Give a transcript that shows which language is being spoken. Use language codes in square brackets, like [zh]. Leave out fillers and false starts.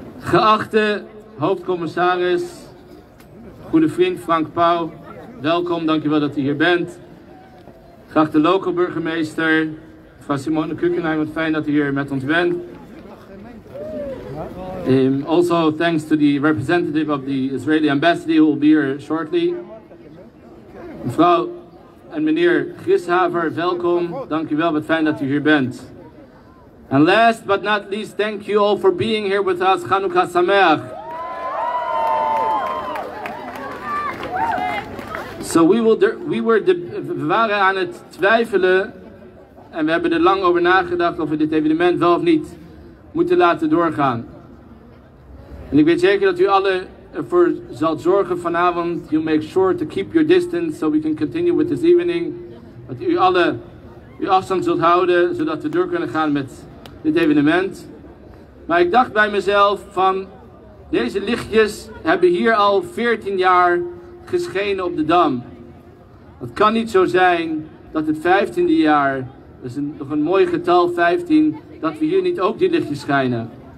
[nl] Geachte hoofdcommissaris, goede vriend Frank Pauw, welkom, dankjewel dat u hier bent. Geachte lokale burgemeester, mevrouw Simone Kukenheim, wat fijn dat u hier met ons bent. [en] Also thanks to the representative of the Israeli embassy who will be here shortly. [nl] Mevrouw en meneer Grishaver, welkom, dankjewel, wat fijn dat u hier bent. [en] And last but not least, thank you all for being here with us. [he] Chanukah Sameach. [nl] So we waren aan het twijfelen en we hebben er lang over nagedacht of we dit evenement wel of niet moeten laten doorgaan. En ik weet zeker dat u alle ervoor zult zorgen vanavond. [en] You make sure to keep your distance so we can continue with this evening. [nl] Dat u alle uw afstand zult houden zodat we door kunnen gaan met dit evenement. Maar ik dacht bij mezelf van deze lichtjes hebben hier al 14 jaar geschenen op de Dam. Het kan niet zo zijn dat het 15e jaar, dat is nog een mooi getal 15, dat we hier niet ook die lichtjes schijnen.